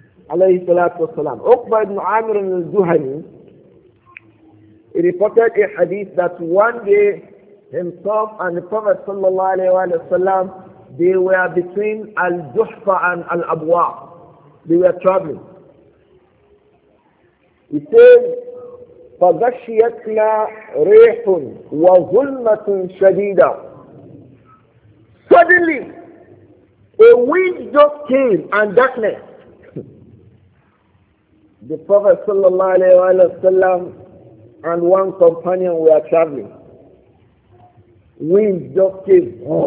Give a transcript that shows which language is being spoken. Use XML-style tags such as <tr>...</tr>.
<en>Alayhi salatu wasalam. Uqba ibn Amir al-Juhani, he reported a hadith that one day himself and the Prophet sallallahu alayhi wa sallam, they were between Al-Juhfa and Al-Abwa. They were traveling. He said,</en> <ar>فَغَشِيَتْنَا رِيحٌ وَظُلْمَةٌ شَدِيدًا.</ar> <en>Suddenly, a wind just came and darkness. The Prophet sallallahu alayhi wa sallam and one companion were traveling. Wind just came.</en>